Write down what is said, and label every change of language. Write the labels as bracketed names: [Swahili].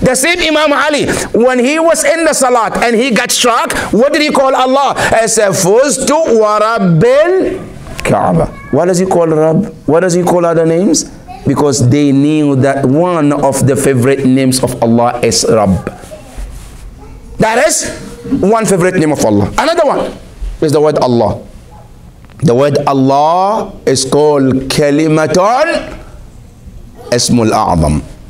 [English] The same Imam Ali, when he was in the Salat and he got struck, what did he call Allah? He said, [Arabic] فزت ورب الكعبة. [English] What does he call Rab? What does he call other names? Because they knew that one of the favorite names of Allah is Rab. That is one favorite name of Allah. Another one is the word Allah. The word Allah is called Kalimatun Ismul A'zam.